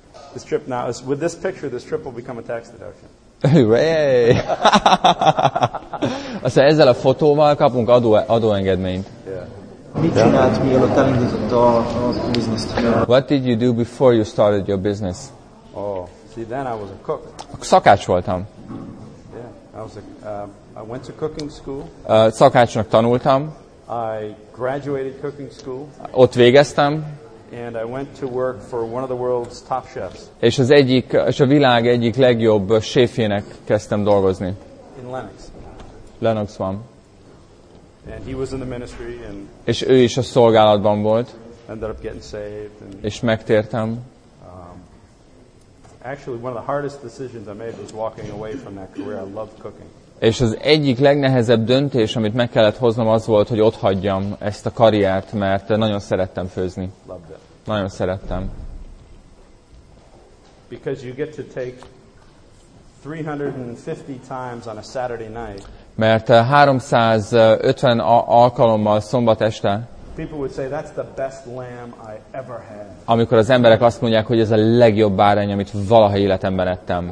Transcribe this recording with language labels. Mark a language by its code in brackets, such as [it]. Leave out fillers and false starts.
[en] This trip now is, with this picture, this trip will become a tax deduction. Hooray! [hu] Aztán ezzel a fotóval kapunk adóengedményt. [en] Yeah. [hu] Mit csinált, mielőtt elindított a business? [en] What did you do before you started your business? Oh, see, then I was a cook. [hu] Szakács voltam. [en] Yeah, I was a I went to cooking school. [hu] Szakácsnak tanultam. [en] I graduated cooking school. [hu] Ott végeztem. [en] And I went to work for one of the world's top chefs. [hu] És az egyik, és a világ egyik legjobb séfjének kezdtem dolgozni. [en] In Lenox. [hu] Lenoxban. [en] And he was in the ministry and. [hu] És ő is a szolgálatban volt. [en] Ended up getting saved. And, [hu] és megtértem. [en] Actually, one of the hardest decisions I made was walking away from that career. I love cooking. [hu] És az egyik legnehezebb döntés, amit meg kellett hoznom, az volt, hogy ott hagyjam ezt a karriert, mert nagyon szerettem főzni. [en] Loved it. [hu] Nagyon szerettem. [en] Because you get to take 350 times on a Saturday night. [hu] Mert 350 alkalommal szombat este. [en] People would say that's the best lamb I ever had. [hu] Amikor az emberek azt mondják, hogy ez a legjobb bárány, amit valaha életemben ettem.